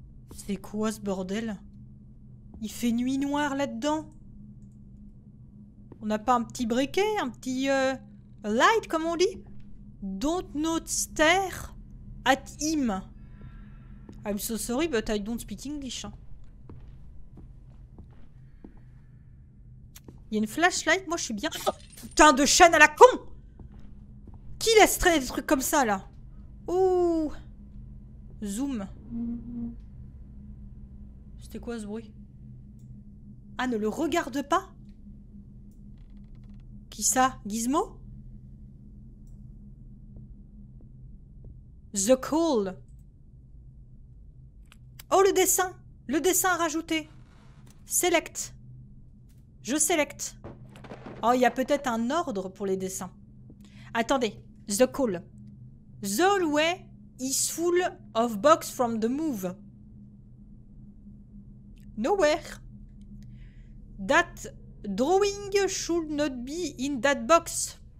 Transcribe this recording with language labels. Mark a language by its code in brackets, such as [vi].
[fr] C'est quoi ce bordel? Il fait nuit noire là-dedans. On n'a pas un petit briquet, un petit light, comme on dit? [en] Don't not stare at him. I'm so sorry, but I don't speak English. [fr] Il y a une flashlight, moi je suis bien. Oh, putain de chaîne à la con! Qui laisse traîner des trucs comme ça là? Ouh! Zoom. C'était quoi ce bruit? Ah, ne le regarde pas! Qui ça? Gizmo? [en] The call! [fr] Oh, le dessin! Le dessin à rajouter! Select! Je select! Oh, il y a peut-être un ordre pour les dessins. Attendez, [en] the call. The hallway is full of box from the move. Nowhere. That drawing should not be in that box.